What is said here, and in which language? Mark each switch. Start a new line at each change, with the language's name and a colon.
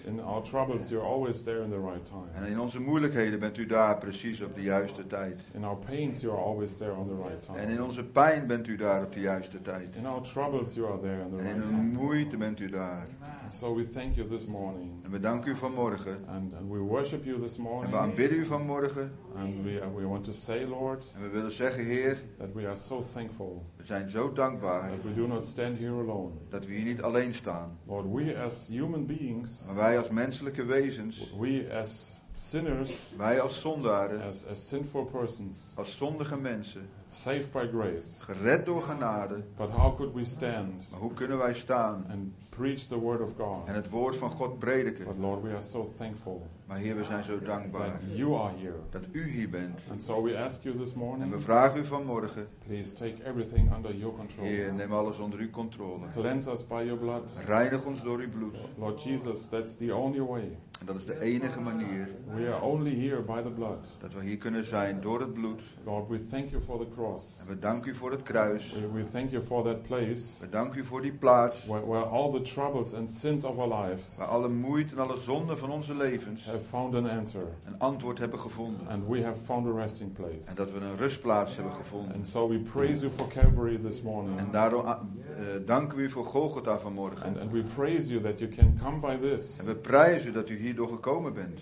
English: In our troubles, you're always there in the right time.
Dutch: En in onze moeilijkheden bent u daar precies op de juiste tijd.
English: In our pains, you are always there on the right time.
Dutch: En in onze pijn bent u daar op de juiste tijd.
English: In our troubles, you are there in the
Dutch: en
English: right time.
Dutch: En in onze moeite bent u daar.
English: So we thank you this morning.
Dutch: En we danken u vanmorgen.
English: And we worship you this morning.
Dutch: En we aanbidden u vanmorgen.
English: And we want to say, Lord,
Dutch: en we willen zeggen, Heer,
English: that we are so thankful.
Dutch: We zijn zo dankbaar.
English: That we do not stand here alone.
Dutch: Dat we hier niet alleen staan.
English: Lord, we as human beings,
Dutch: maar wij als menselijke wezens,
English: we as sinners,
Dutch: wij als zondaren,
English: as sinful persons,
Dutch: als zondige mensen,
English: saved by grace,
Dutch: gered door genade,
English: but how could we stand,
Dutch: maar hoe kunnen wij staan,
English: and preach the word of God,
Dutch: en het woord van God prediken?
English: But Lord, we are so thankful.
Dutch: Maar Heer, we zijn zo dankbaar
English: you are here.
Dutch: Dat u hier bent.
English: And so we ask you this morning,
Dutch: en we vragen u vanmorgen.
English: Please take everything under your control.
Dutch: Heer, neem alles onder uw controle.
English: Cleanse us by your blood.
Dutch: Reinig ons door uw bloed.
English: Lord Jesus, that's the only way.
Dutch: En dat is de enige manier.
English: We are only here by the blood.
Dutch: Dat we hier kunnen zijn door het bloed.
English: Lord, we thank you for the cross.
Dutch: En we danken u voor het kruis.
English: We thank you for that place.
Dutch: We danken u voor die plaats.
English: Where all the troubles and sins of our lives,
Dutch: waar alle moeite en alle zonden van onze levens,
English: found an answer.
Dutch: Een antwoord hebben gevonden.
English: And we have found a resting place.
Dutch: En dat we een rustplaats hebben gevonden.
English: And so we praise you for Calvary this morning.
Dutch: En daarom danken we u voor Golgotha vanmorgen.
English: And we praise you that you can come by this.
Dutch: En we prijzen dat u hierdoor gekomen bent.